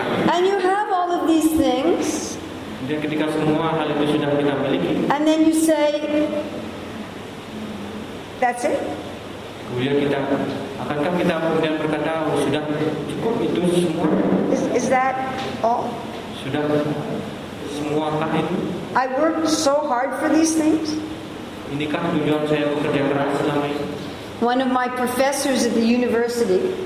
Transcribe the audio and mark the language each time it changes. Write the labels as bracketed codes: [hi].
[en] And you have all of these things. [id] Dan ketika semua hal itu sudah kita miliki. [en] And then you say, that's it. [id] Kemudian kita, akankah kita kemudian berkata sudah cukup itu semua? [en] Is that all? [id] Sudah semua kah itu? [en] I worked so hard for these things. [id] Inikah tujuan saya bekerja keras selama ini? [en] One of my professors at the university.